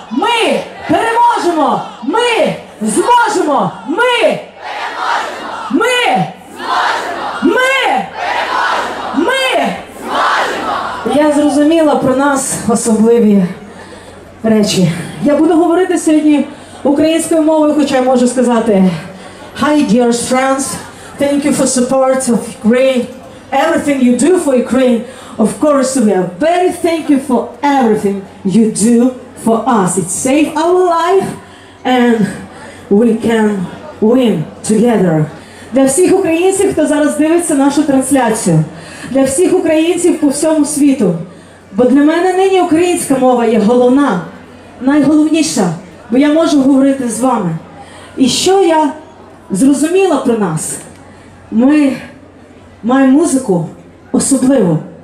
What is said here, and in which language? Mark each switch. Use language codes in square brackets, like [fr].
[uk] Ми переможемо! Ми зможемо! Ми переможемо! Ми зможемо! Ми переможемо! зможемо! Я зрозуміла про нас особливі речі. Я буду говорити сьогодні українською мовою, хоча я можу сказати: [en] Hi dear friends, thank you for support of Ukraine, everything you do for Ukraine. Of course, we are very thankful for everything you do for us. It saved our life and we can win together. [uk] Для всіх українців, хто зараз дивиться нашу трансляцію, для всіх українців по всьому світу, бо для мене нині українська мова є головна, найголовніша, бо я можу говорити з вами. І що я зрозуміла про нас? Ми маємо музику особливу.